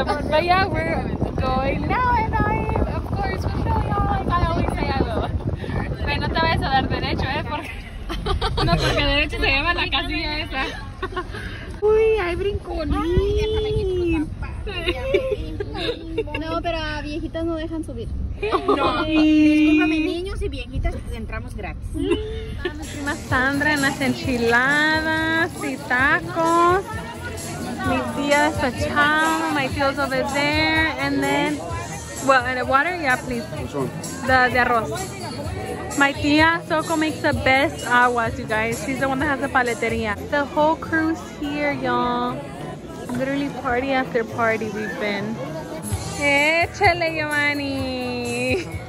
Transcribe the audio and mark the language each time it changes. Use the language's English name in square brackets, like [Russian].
[English] But yeah, we're going now, and I, of course, will show y'all. Like I always say, I will. [Spanish] No te vayas a dar derecho, porque. No, porque de hecho se lleva la casilla esa. Uy, hay brincolín. No, pero a viejitas no dejan subir. No. Discúlpame, niños y viejitas, entramos gratis. Mi prima Sandra en las enchiladas y tacos. Mi tía está chama, [English] my tío's over there. And then, well, and the water, yeah, please. The arroz. My tia Soko makes the best aguas, you guys. She's the one that has the paleteria. The whole crew's here, y'all. Literally party after party we've been. [Spanish] Échale, [English] Giovanni.